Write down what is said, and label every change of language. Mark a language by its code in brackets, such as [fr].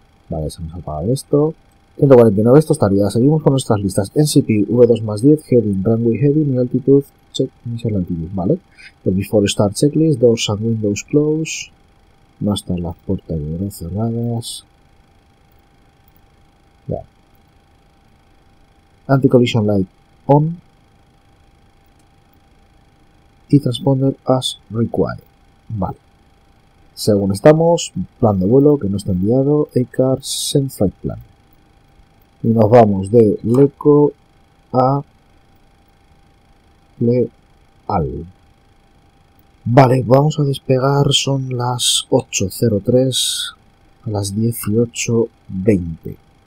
[es] Vale, se nos ha apagado esto. 149, esto estaría. Seguimos con nuestras listas. [en] NCP, V2 más 10, Heading, Runway Heading y Altitude, Check, Initial Altitude. Vale. [es] El Before Start Checklist, Doors and Windows Close. No están las puertas de cerradas. [en] Anti-collision light on y transponder as required. [es] Vale. Según estamos, plan de vuelo que no está enviado. ACARS send flight plan. Y nos vamos de LECO a LEAL. Vale, vamos a despegar. Son las 8:03 a las 18:20.